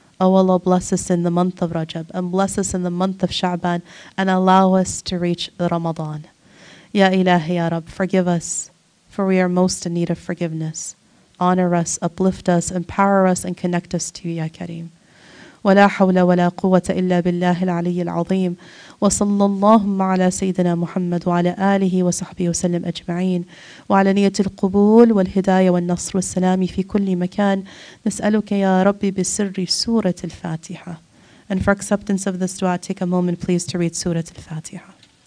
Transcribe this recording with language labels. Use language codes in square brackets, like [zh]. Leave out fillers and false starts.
[en] Oh Allah, bless us in the month of Rajab and bless us in the month of Sha'ban and allow us to reach Ramadan. Ya Ilahi, Ya Rabb, forgive us, for we are most in need of forgiveness. Honor us, uplift us, empower us, and connect us to you, Ya Kareem. [ar] ولا حول ولا قوة إلا بالله العلي العظيم وصلى اللهم على سيدنا محمد وعلى آله وصحبه وسلم أجمعين وعلى نية القبول والهداية والنصر والسلام في كل مكان نسألك يا ربي بسر سورة الفاتحة. [en] And for acceptance of this dua, take a moment please to read سورة الفاتحة.